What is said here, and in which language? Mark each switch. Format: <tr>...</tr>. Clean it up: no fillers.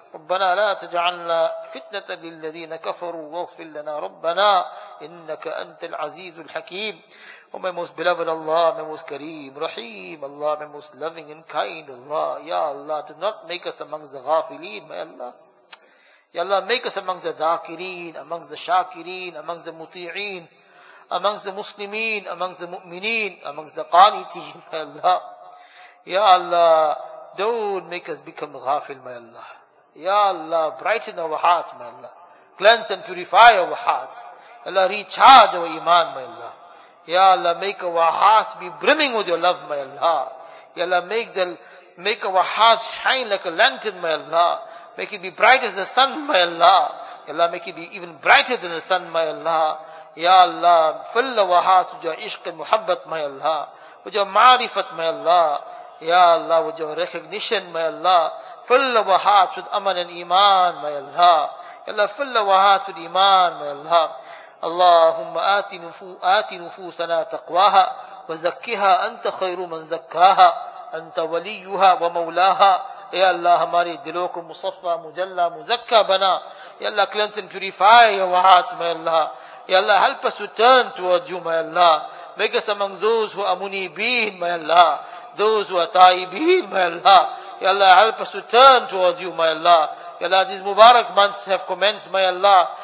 <ar>ربنا لا تجعلنا فتنة للذين كفروا واغفر لنا ربنا إنك أنت العزيز الحكيم.</ar> <en>Oh my most beloved Allah, my most kareem, raheem Allah, my most loving and kind Allah. Ya Allah, do not make us among the ghafileen, my Allah. Ya Allah, make us among the dhakireen, among the shakireen, among the muti'een, among the muslimin, among the mu'mineen, among the qaniteen, my Allah. Ya Allah, don't make us become ghafil, my Allah. Ya Allah, brighten our hearts, my Allah. Cleanse and purify our hearts. Ya Allah, recharge our iman, my Allah. Ya Allah, make our hearts be brimming with your love, my Allah. Ya Allah, make our hearts shine like a lantern, my Allah. Make it be bright as the sun, my Allah. Ya Allah, make it be even brighter than the sun, my Allah. Ya Allah, fill our hearts with your ishq and muhabbat, my Allah. With your ma'rifat, my Allah. Ya Allah, with your recognition, my Allah. Fill our hearts with aman and iman, my Allah. Ya Allah, fill our hearts with iman, my Allah.</en> <ar>اللهم آتِ نفوسنا تقواها وزكها أنت خير من زكاها أنت وليها ومولاها.</ar> <ur>يا الله ہمارے دلوں کو مصفى مجلى مزكى بنا.</ur> <en>يا الله cleanse and purify your hearts, my Allah. يا الله help us to turn towards you, my Allah. Make us among those who are munibin, my Allah. Those who are taibin, my Allah. Ya Allah, help us to turn towards you, my Allah. Ya Allah, these Mubarak months have commenced, my Allah.</en>